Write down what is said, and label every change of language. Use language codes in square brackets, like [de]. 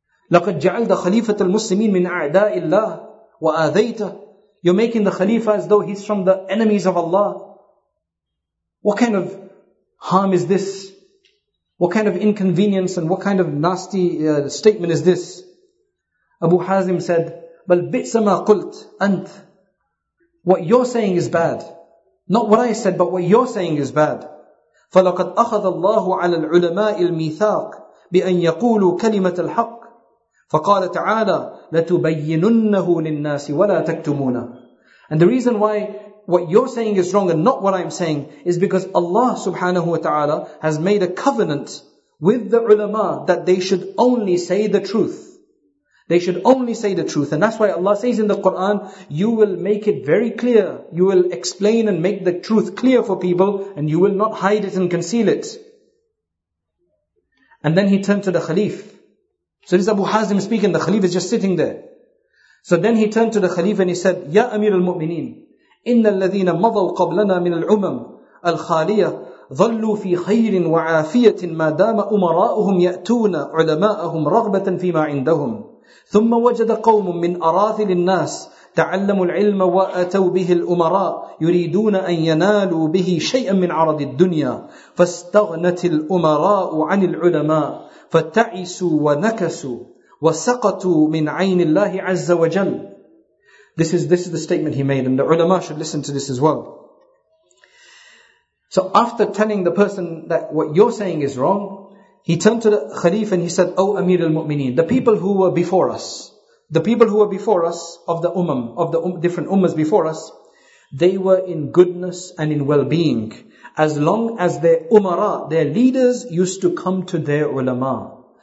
[ar] لَقَدْ جَعَلْتَ خَلِيفَةَ الْمُسْلِمِينَ مِنْ أَعْدَاءِ اللَّهِ وَآذَيْتَ. [en] You're making the Khalifa as though he's from the enemies of Allah. What kind of harm is this? What kind of inconvenience and what kind of nasty statement is this? Abu Hazim said, [ar] بَلْ بِئْسَ مَا قُلْتْ أَنْتْ. [en] What you're saying is bad. Not what I said, but what you're saying is bad. [ar] فَلَقَدْ أَخَذَ اللَّهُ عَلَى الْعُلَمَاءِ الْمِيثَاقِ بِأَنْ يَقُولُوا كَلِمَةَ الْحَقِّ. فقال تعالى لتبيننه للناس ولا تكتمونا. [en] And the reason why what you're saying is wrong and not what I'm saying is because Allah subhanahu wa ta'ala has made a covenant with the ulama that they should only say the truth. They should only say the truth. And that's why Allah says in the Quran, you will make it very clear. You will explain and make the truth clear for people and you will not hide it and conceal it. And then he turned to the Khalif. So this is Abu Hazim speaking, the Khalif is just sitting there. So then he turned to the Khalif and he said, Ya Amir al-Mu'mineen, [ar] إِنَّ الَّذِينَ مَضَوْا قَبْلَنَا مِنَ الْعُمَمْ الْخَالِيَةِ ظَلُّوا فِي خَيْرٍ وَعَافِيَةٍ مَا دَامَ أُمَرَاؤُهُمْ يَأْتُونَ عُلَمَاءَهُمْ رَغْبَةً فِي مَا عِنْدَهُمْ ثُمَّ وَجَدَ قَوْمٌ مِنْ أَرَاثِلِ النَّاسِ تعلموا العلم وأتوا به الأمراء يريدون أن ينالوا به شيئا من عرض الدنيا فاستغنت الأمراء عن العلماء فتعسوا ونكسوا وسقطوا من عين الله عز وجل. [en] This is the statement he made, and the ulama should listen to this as well. So after telling the person that what you're saying is wrong, he turned to the Khalifa and he said, O Amir al-Mu'mineen, the people who were before us, the people who were before us of the umam, of the different ummas before us, they were in goodness and in well-being as long as their umara, their leaders, used to come to their ulama.